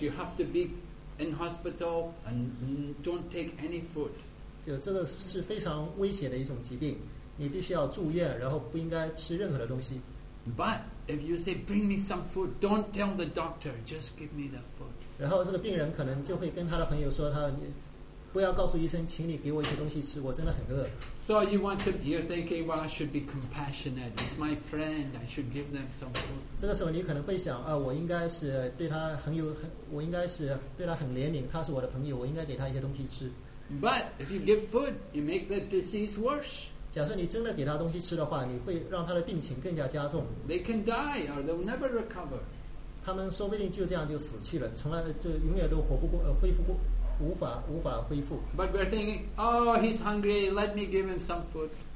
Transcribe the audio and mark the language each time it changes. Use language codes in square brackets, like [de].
[en] You have to be in hospital and don't take any food. [zh] 就这个是非常危险的一种疾病，你必须要住院，然后不应该吃任何的东西。 [en] But if you say, bring me some food, don't tell the doctor, just give me the food. [zh] 然后这个病人可能就会跟他的朋友说，他你不要告诉医生，请你给我一些东西吃，我真的很饿。 [en] So you want to, you're thinking, well, I should be compassionate. It's my friend. I should give them some food. [zh] 这个时候你可能会想，我应该是对他我应该是对他很怜悯，他是我的朋友，我应该给他一些东西吃。 [en] But if you give food, you make the disease worse. [zh] 假设你真的给他东西吃的话，你会让他的病情更加加重。 [en] They can die, or they'll never recover. [zh] 他们说不定就这样就死去了，从来就永远都活不过，恢复过。无法恢复。 [en] But we're thinking, oh, he's hungry. Let me give him some food.